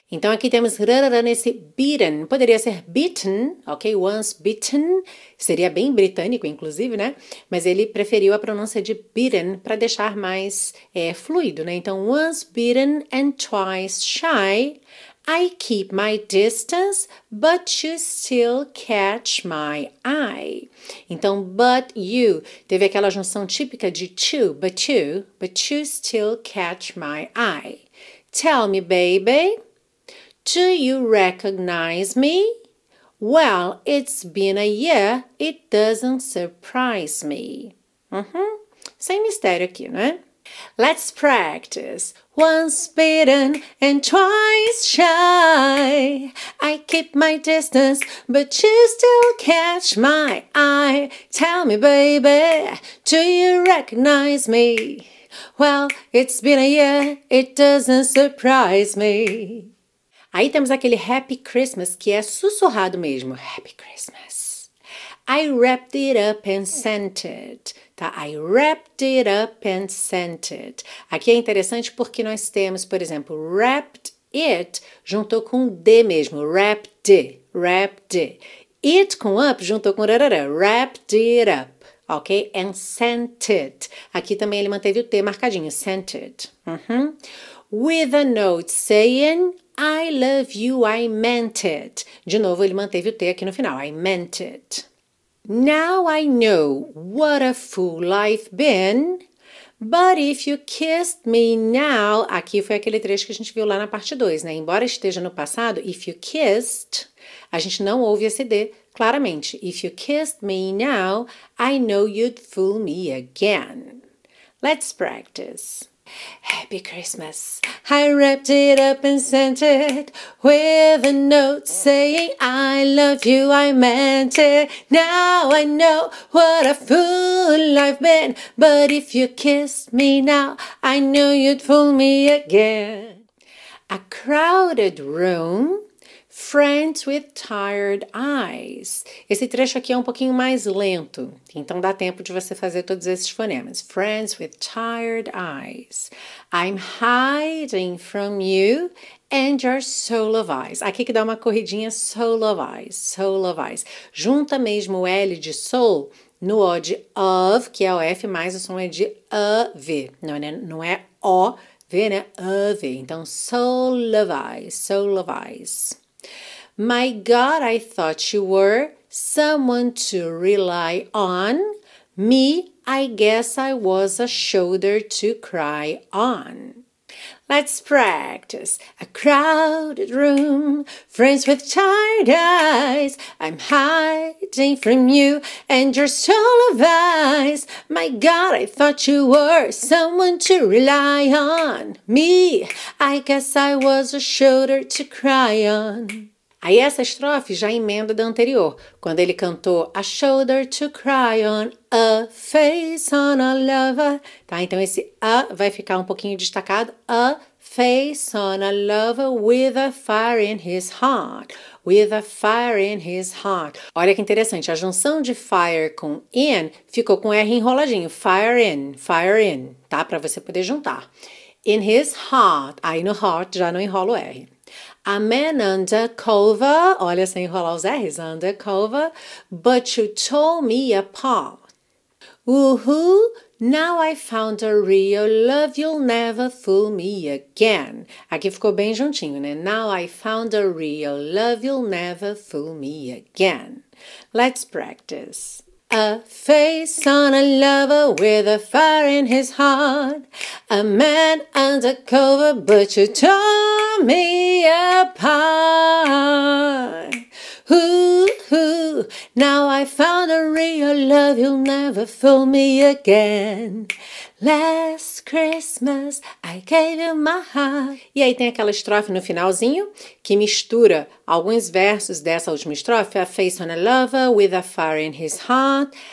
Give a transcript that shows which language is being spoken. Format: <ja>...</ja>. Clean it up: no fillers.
<pt>Então, aqui temos rarara nesse beaten. Poderia ser beaten, ok?</pt> <en>Once beaten.</en> <pt>Seria bem britânico, inclusive, né? Mas ele preferiu a pronúncia de beaten para deixar mais fluido, né?</pt> <en>Então, once beaten and twice shy. I keep my distance, but you still catch my eye. Então, but you,</en> <pt>teve aquela junção típica de</pt> <en>to, but you still catch my eye. Tell me, baby, do you recognize me? Well, it's been a year, it doesn't surprise me.</en> <pt>Sem mistério aqui, né?</pt> <en>Let's practice. Once bitten and twice shy. I keep my distance, but you still catch my eye. Tell me, baby, do you recognize me? Well, it's been a year, it doesn't surprise me.</en> <pt>Aí temos aquele</pt> <en>Happy Christmas</en> <pt>que é sussurrado mesmo. Happy Christmas.</pt> <en>I wrapped it up and sent it. Tá? I wrapped it up and sent it.</en> <pt>Aqui é interessante porque nós temos, por exemplo,</pt> <en>wrapped it</en> <pt>juntou com D mesmo.</pt> <en>Wrapped it. Wrapped it. It com up</en> <pt>juntou com</pt> <en>rarara. Wrapped it up. Ok? And sent it.</en> <pt>Aqui também ele manteve o T marcadinho.</pt> <en>Sent it. Uhum. With a note saying, I love you, I meant it.</en> <pt>De novo, ele manteve o T aqui no final.</pt> <en>I meant it. Now I know what a fool I've been, but if you kissed me now...</en> <pt>Aqui foi aquele trecho que a gente viu lá na parte 2, né? Embora esteja no passado,</pt> <en>if you kissed,</en> <pt>a gente não ouve esse D claramente.</pt> <en>If you kissed me now, I know you'd fool me again. Let's practice. Happy Christmas. I wrapped it up and sent it with a note saying I love you, I meant it. Now I know what a fool I've been, but if you kissed me now, I knew you'd fool me again. A crowded room, friends with tired eyes.</en> <pt>Esse trecho aqui é um pouquinho mais lento, então dá tempo de você fazer todos esses fonemas.</pt> <en>Friends with tired eyes. I'm hiding from you and your soul of eyes.</en> <pt>Aqui que dá uma corridinha,</pt> <en>soul of eyes, soul of eyes.</en> <pt>Junta mesmo o L de soul no O de of, que é o F, mais o som é de of. Não, né? Não é O, V, né? Of. Então,</pt> <en>soul of eyes, soul of eyes. My God, I thought you were someone to rely on. Me, I guess I was a shoulder to cry on. Let's practice. A crowded room, friends with tired eyes. I'm hiding from you and your soul of eyes. My God, I thought you were someone to rely on. Me, I guess I was a shoulder to cry on.</en> <pt>Aí essa estrofe já emenda da anterior, quando ele cantou</pt> <en>a shoulder to cry on, a face on a lover.</en> <pt>Tá, então esse a vai ficar um pouquinho destacado.</pt> <en>A face on a lover with a fire in his heart. With a fire in his heart.</en> <pt>Olha que interessante, a junção de fire com in ficou com R enroladinho.</pt> <en>Fire in,</en> <pt>tá? Pra você poder juntar.</pt> <en>In his heart,</en> <pt>aí no heart já não enrola o R.</pt> <en>A man undercover,</en> <pt>olha sem enrolar os R's,</pt> <en>undercover, but you tore me apart. Woohoo, now I found a real love, you'll never fool me again.</en> <pt>Aqui ficou bem juntinho, né?</pt> <en>Now I found a real love, you'll never fool me again. Let's practice. A face on a lover with a fire in his heart. A man undercover, but you tore me apart. Ooh, ooh, now I found a real love, you'll never fool me again. Last Christmas, I gave you my heart.</en> <pt>E aí tem aquela estrofe no finalzinho, que mistura alguns versos dessa última estrofe,</pt> <en>a face on a lover with a fire in his heart.</en>